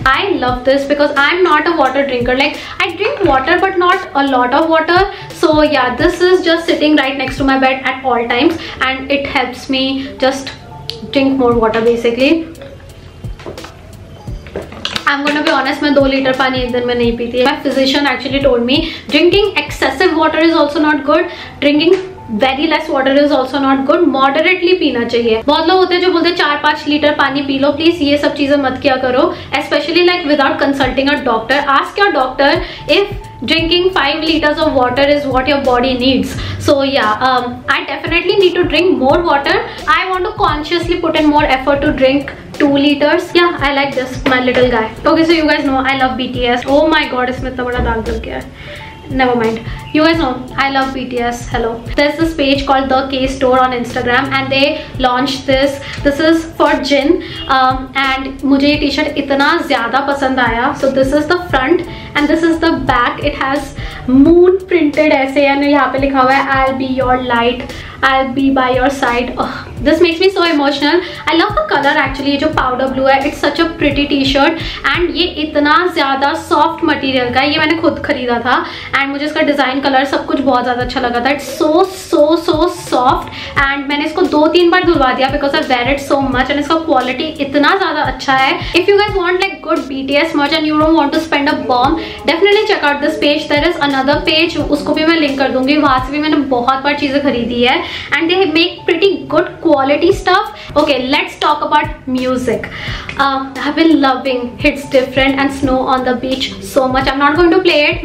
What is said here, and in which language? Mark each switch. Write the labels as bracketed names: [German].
[English] I love this because I am not a water drinker. Like I drink water but not a lot of water. So yeah this is just sitting right next to my bed at all times, and it helps me just drink more water basically. I'm gonna be honest, [Hindi] मैं 2 litre पानी एक दिन में नहीं पीती. [English] My physician actually told me drinking excessive water is also not good. Drinking very less water is also not good. [Hindi] Moderately पीना चाहिए. बहुत लोग होते हैं जो बोलते 4-5 लीटर पानी पी लो. प्लीज ये सब चीजें मत किया करो, [English] especially like without consulting a doctor. Ask your doctor if drinking 5 liters of water is what your body needs. So yeah, I definitely need to drink more water. I want to consciously put in more effort to drink 2 liters. Yeah, I like this, my little guy. Okay, so you guys know I love BTS. Oh my god, [Hindi] isme itna bada daag lag gaya. [English] Never mind. You guys know I love BTS. Hello. There's this page called The K Store on Instagram, and they launched this. This is for Jin. And [Hindi] mujhe ye t-shirt itna zyada pasand aaya. [English] So this is the front and this is the back. It has moon printed aise, and [Hindi] yahan pe likha hua hai [English] I'll be your light, I'll be by your side. Ugh, this makes me so emotional. I love the color actually. [Hindi] जो powder blue है, [English] it's such a pretty t-shirt. [Hindi] And ये इतना ज़्यादा soft material का है. ये मैंने खुद खरीदा था. And मुझे इसका design, color सब कुछ बहुत ज़्यादा अच्छा लगा था. [English] It's so so so soft. [Hindi] And मैंने इसको 2-3 बार धुलवा दिया, [English] because I wear it so much. [Hindi] And इसका quality इतना ज़्यादा अच्छा है. [English] If you guys want like good BTS merch and you don't want to spend a bomb, definitely check out this page. There is another page. [Hindi] उसको भी मैं link कर दूँगी. वहाँ से भी मैंने बहुत बार चीज़ें खरीदी है. [English] And they make pretty good quality stuff. Okay, let's talk about music. I've been loving Hits Different and Snow on the Beach so much. I'm not going to play it.